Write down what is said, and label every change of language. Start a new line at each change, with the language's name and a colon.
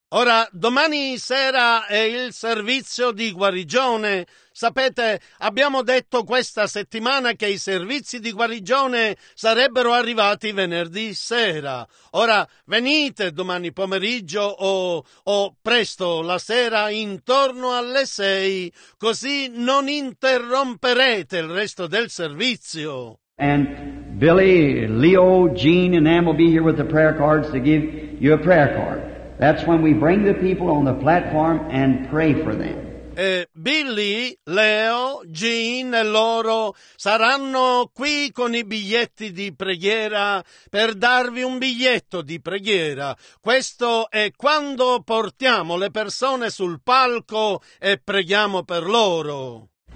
Italian: Ora, domani sera è il servizio di guarigione. Sapete, abbiamo detto questa settimana che i servizi di guarigione sarebbero arrivati venerdì sera. Ora, venite domani pomeriggio o presto la sera intorno alle 6, così non interromperete il resto del servizio.
English: And Billy, Leo, Gene, and Ann will be here with the prayer cards to give you a prayer card. That's when we bring the people on the platform and pray for them.
Italian: Billy, Leo, Gene e loro saranno qui con i biglietti di preghiera per darvi un biglietto di preghiera. Questo è quando portiamo le persone sul palco e preghiamo per loro.